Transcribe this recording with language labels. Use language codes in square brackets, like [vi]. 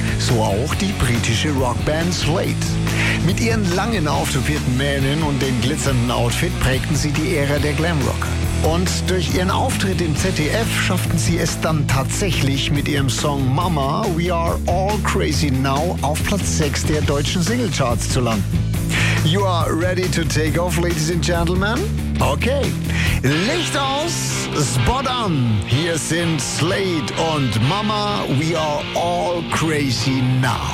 [de] So auch die britische Rockband Slade. Mit ihren langen, auftopierten Mähnen und dem glitzernden Outfit prägten sie die Ära der Glamrocker. Und durch ihren Auftritt im ZDF schafften sie es dann tatsächlich mit ihrem Song Mama, We Are All Crazy Now auf Platz 6 der deutschen Singlecharts zu landen. [en] You are ready to take off, ladies and gentlemen? [de] Okay, Licht aus, Spot on. Hier sind Slade und Mama, We Are All Crazy Now.